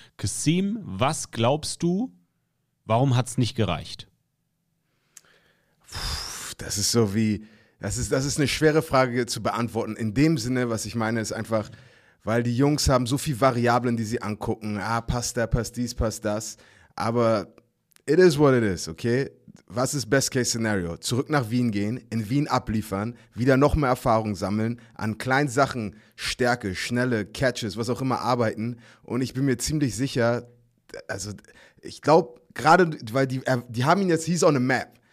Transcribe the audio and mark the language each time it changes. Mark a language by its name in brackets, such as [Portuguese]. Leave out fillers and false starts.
[German] Kasim, was glaubst du, warum hat es nicht gereicht? Das ist so wie, das ist eine schwere Frage zu beantworten. In dem Sinne, was ich meine, ist einfach, weil die Jungs haben so viele Variablen, die sie angucken. Ah, passt der, passt dies, passt das. [English] Aber it is what it is, okay? [German] Was ist Best Case Scenario? Zurück nach Wien gehen, in Wien abliefern, wieder noch mehr Erfahrung sammeln, an kleinen Sachen, Stärke, schnelle Catches, was auch immer, arbeiten. Und ich bin mir ziemlich sicher, also ich glaube, gerade weil die haben ihn jetzt, [English] he's on a map.